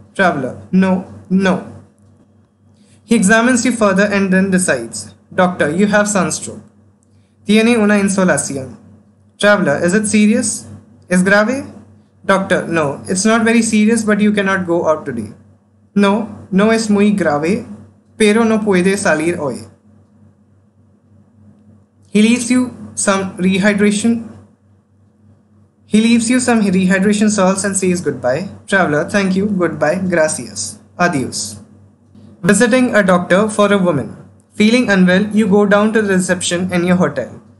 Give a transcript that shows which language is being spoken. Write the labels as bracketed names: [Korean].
[English] Traveler, no, no. He examines you further and then decides. Doctor, you have sunstroke. [Spanish] ¿Tiene una insolación? [English] Traveler, is it serious? [Spanish] ¿Es grave? [English] Doctor, no, it's not very serious, but you cannot go out today. [Spanish] No, no es muy grave, pero no puede salir hoy. [English] He leaves you some rehydration salts and says goodbye. Traveler, thank you, goodbye, [Spanish] gracias, adios. [English] Visiting a doctor for a woman. Feeling unwell, you go down to the reception in your hotel.